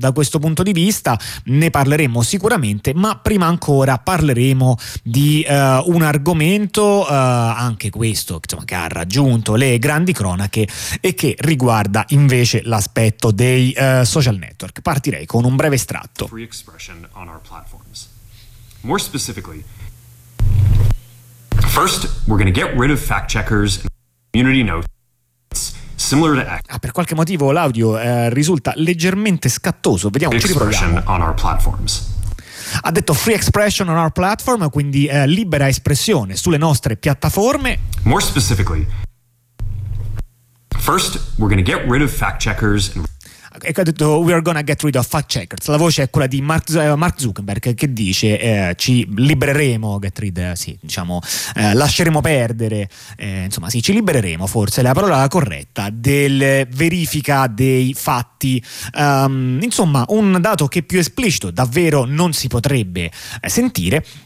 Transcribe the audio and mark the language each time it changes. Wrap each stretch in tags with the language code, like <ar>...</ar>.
<it>Da questo punto di vista ne parleremo sicuramente, ma prima ancora parleremo di un argomento, anche questo, insomma, che ha raggiunto le grandi cronache e che riguarda invece l'aspetto dei social network. Partirei con un breve estratto.</it> <en>Free expression on our platforms. More specifically, first, we're going to get rid of fact checkers and community notes similar to X.</en> <it>Ah, per qualche motivo l'audio risulta leggermente scattoso. Vediamo, ci riproviamo. Ha detto</it> <en>free expression on our platform,</en> <it>quindi libera espressione sulle nostre piattaforme.</it> <en>More specifically, first, we're going to get rid of fact checkers and</en> <it>ha detto</it> <en>we are gonna get rid of fact checkers.</en> <it>La voce è quella di Mark Zuckerberg, che dice ci libereremo,</it> <en>get rid,</en> <it>sì, diciamo, lasceremo perdere, insomma, sì, ci libereremo, forse la parola corretta, del verifica dei fatti. Insomma, un dato che più esplicito davvero non si potrebbe sentire.</it>